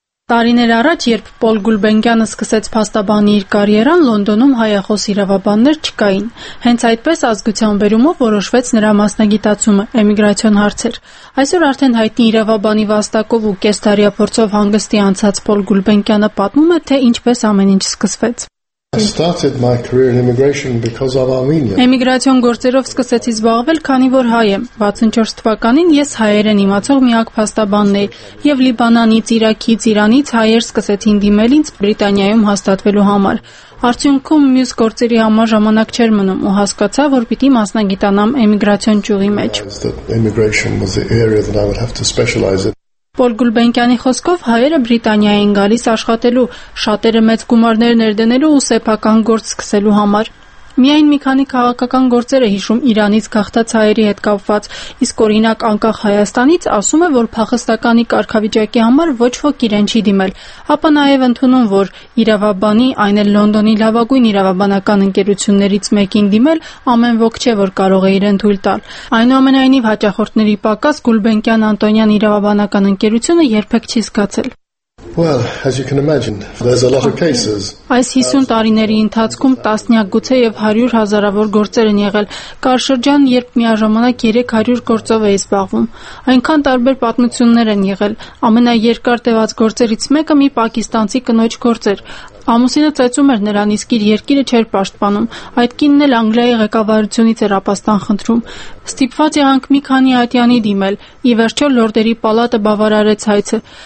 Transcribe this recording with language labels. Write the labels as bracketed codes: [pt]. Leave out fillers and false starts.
[hy] Տարիներ առաջ, երբ Պոլ Գուլբենկյանը սկսեց փաստաբանի իր կարիերան, Լոնդոնում հայախոս իրավաբաններ չկային։ Հենց այդպես ազգության բերումով որոշվեց նրա մասնագիտացումը՝ էմիգրացիոն հարցեր։ Այսօր արդեն հայտնի իրավաբանի վաստակով ու կես տարիա փորձով հանգստի անցած Պոլ Գուլբենկյանը պատմում է, թե ինչպես ամեն ինչ սկսվեց։ [en] I started my career in immigration because of Armenia. [hy] Էմիգրացիոն գործերով սկսեցի զբաղվել, քանի որ հայ եմ։ 64 թվականին ես հայերեն իմացող միակ փաստաբանն էի, եւ Լիբանանից, Իրաքից, Իրանից հայեր սկսեցին դիմել ինձ Բրիտանիայում հաստատվելու համար։ Արդյունքում մյուս գործերի համար ժամանակ չէր մնում ու հասկացա, որ պիտի մասնագիտանամ էմիգրացիոն ճյուղի մեջ։ Պոլ Գուլբենկյանի խոսքով հայերը Բրիտանիային գալիս աշխատելու, շատերը մեծ գումարներ ներդնելու ու սեփական գործ սկսելու համար։ Միայն մի քանի քաղաքական գործեր է հիշում Իրանից գաղթած հայերի հետ կապված, իսկ օրինակ անկախ Հայաստանից ասում է, որ փախստականի կարգավիճակի համար ոչ ոք իրեն չի դիմել, ապա նաև ընդունում, որ իրավաբանի, այն էլ Լոնդոնի լավագույն իրավաբանական ընկերություններից մեկին դիմել ամեն ոք չէ, որ կարող է իրեն թույլ տալ։ Այնուամենայնիվ հաճախորդների պակաս Գուլբենկյան Անտոնյան իրավաբանական ընկերությունը երբեք չի զգացել։ [en] Well, as you can imagine, there's a lot of cases. [hy] Այս 50 տարիների ընթացքում տասնյակ գուցե եւ 100 հազարավոր գործեր են եղել։ Կար շրջան, երբ միաժամանակ 300 գործով էի զբաղվում։ Այնքան տարբեր պատմություններ են եղել։ Ամենաերկար տևած գործերից մեկը մի պակիստանցի կնոջ գործ էր։ Ամուսինը ծեծում էր նրան, իսկ իր երկիրը չէր պաշտպանում։ Այդ կինն էլ Անգլիայի ղեկավարությունից էր ապաստան խնդրում։ Ստիպված եղանք մի քանի ատյանի դիմել, ի վերջո Լորդերի պալատը բավարարեց հայցը։